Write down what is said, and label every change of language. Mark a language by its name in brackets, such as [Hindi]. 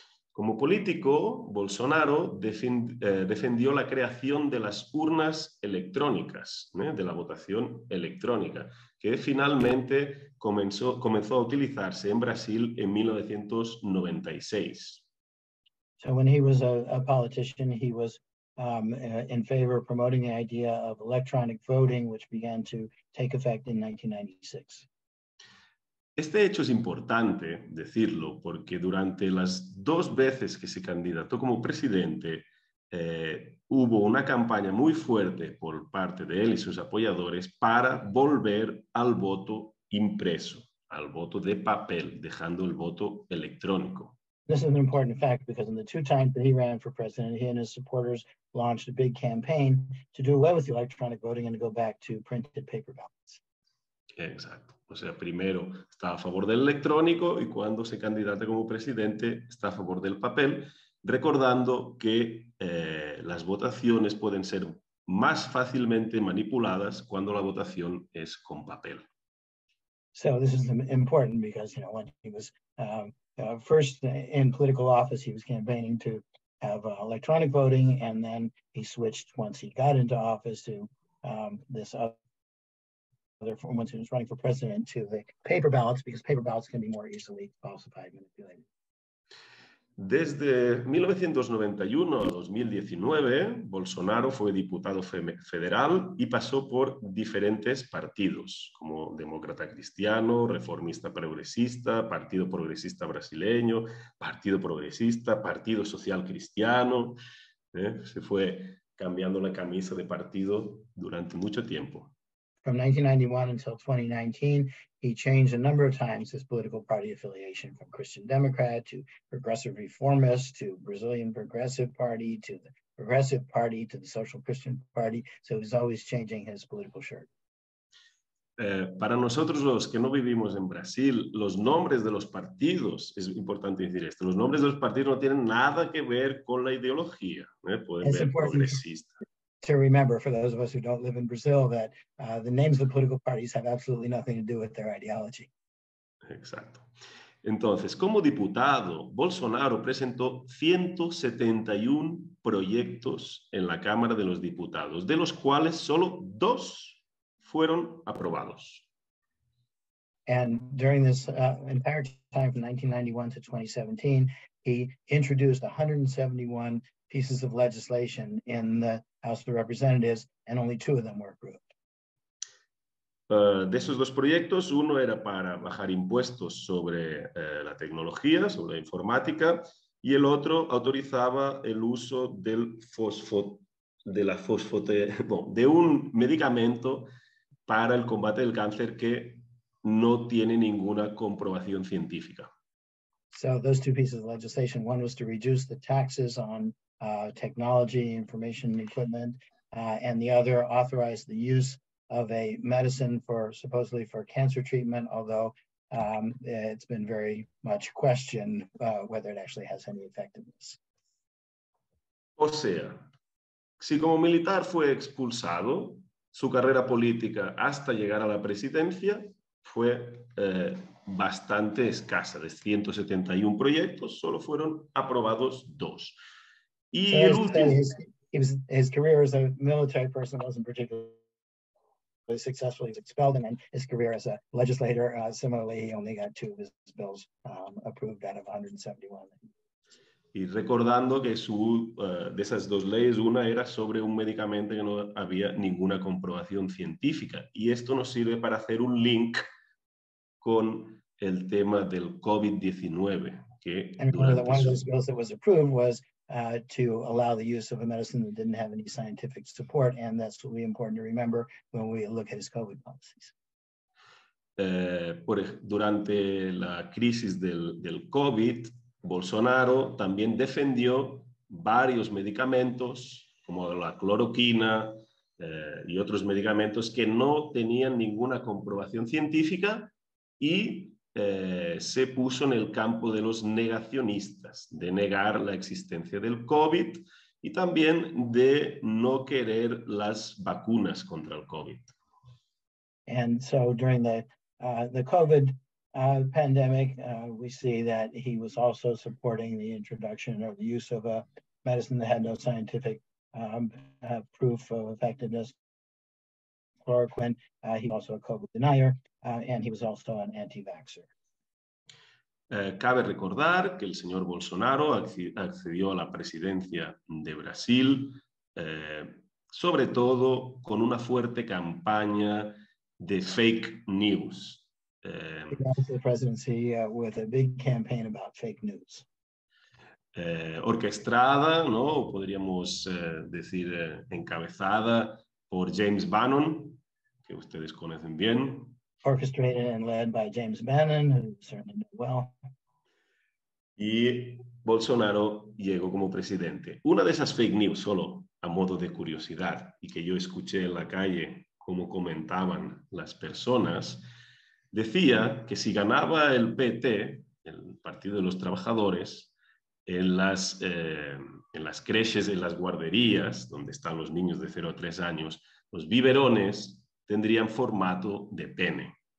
[Spanish] Como político, Bolsonaro defendió la creación de las urnas electrónicas, ¿eh? De la votación electrónica, que finalmente comenzó a utilizarse en Brasil en 1996. [English] So when he was a politician, he was in favor of promoting the idea of electronic voting, which began to take effect in 1996. [Spanish] Este hecho es importante decirlo porque durante las dos veces que se candidató como presidente hubo una campaña muy fuerte por parte de él y sus apoyadores para volver al voto impreso, al voto de papel, dejando el voto electrónico. [English] This is an important fact because in the two times that he ran for president, he and his supporters launched a big campaign to do away with electronic voting and to go back to printed paper ballots. [Spanish] Exacto. O sea, primero está a favor del electrónico y cuando se candidata como presidente está a favor del papel, recordando que las votaciones pueden ser más fácilmente manipuladas cuando la votación es con papel. [English] So this is important because, you know, when he was first in political office, he was campaigning to have electronic voting, and then he switched once he got into office to this other. Therefore, once he was running for president, to the paper ballots, because paper ballots can be more easily falsified and manipulated. [Spanish] Desde 1991 a 2019, Bolsonaro fue diputado federal y pasó por diferentes partidos, como Demócrata Cristiano, Reformista Progresista, Partido Progresista Brasileño, Partido Progresista, Partido Social Cristiano. Se fue cambiando la camisa de partido durante mucho tiempo. [English] From 1991 until 2019, he changed a number of times his political party affiliation from Christian Democrat to Progressive Reformist to Brazilian Progressive Party to the Progressive Party to the Social Christian Party. So he's always changing his political shirt. [Spanish] Para nosotros los que no vivimos en Brasil, los nombres de los partidos, es importante decir esto, los nombres de los partidos no tienen nada que ver con la ideología. Pueden ver progresista. [English] To remember, for those of us who don't live in Brazil, that the names of the political parties have absolutely nothing to do with their ideology. [Spanish] Exacto. Entonces, como diputado, Bolsonaro presentó 171 proyectos en la Cámara de los Diputados, de los cuales solo dos fueron aprobados. [English] And during this entire time from 1991 to 2017, he introduced 171 pieces of legislation in the House of Representatives, and only two of them were approved. [Spanish] De esos dos proyectos, uno era para bajar impuestos sobre la tecnología, sobre la informática, y el otro autorizaba el uso del de un medicamento para el combate del cáncer que no tiene ninguna comprobación científica. [English] So those two pieces of legislation, one was to reduce the taxes on technology, information equipment, and the other authorized the use of a medicine for supposedly for cancer treatment, although it's been very much questioned whether it actually has any effectiveness. [Spanish] O sea, si como militar fue expulsado, su carrera política hasta llegar a la presidencia fue bastante escasa. De 171 proyectos, solo fueron aprobados dos. [English] His career as a military person wasn't particularly was successfully expelled, and in his career as a legislator, similarly, he only got two of his bills approved out of 171. [Spanish] Y recordando que su de esas dos leyes, una era sobre un medicamento que no había ninguna comprobación científica, y esto nos sirve para hacer un link con el tema del COVID-19. [English] And one of those bills that was approved was to allow the use of a medicine that didn't have any scientific support, and that's really important to remember when we look at his COVID policies. [Spanish] Durante la crisis del COVID, Bolsonaro también defendió varios medicamentos como la cloroquina y otros medicamentos que no tenían ninguna comprobación científica y se puso en el campo de los negacionistas, de negar la existencia del COVID y también de no querer las vacunas contra el COVID. [English] And so during the COVID pandemic, we see that he was also supporting the introduction or the use of a medicine that had no scientific proof of effectiveness. Chloroquine, he was also a COVID denier, and he was also an anti-vaxxer. [Spanish] Cabe recordar que el señor Bolsonaro accedió a la presidencia de Brasil, sobre todo con una fuerte campaña de fake news. [English] He went to the presidency with a big campaign about fake news. [Spanish] Orquestada, ¿no? Podríamos decir encabezada por James Bannon, que ustedes conocen bien. [English] Orchestrated and led by James Bannon, who certainly knew well. [Spanish] Y Bolsonaro llegó como presidente. Una de esas fake news, solo a modo de curiosidad, y que yo escuché en la calle cómo comentaban las personas, decía que si ganaba el PT, el Partido de los Trabajadores, en las creches, en las guarderías, donde están los niños de 0 a 3 años, los biberones tendrían formato de pene.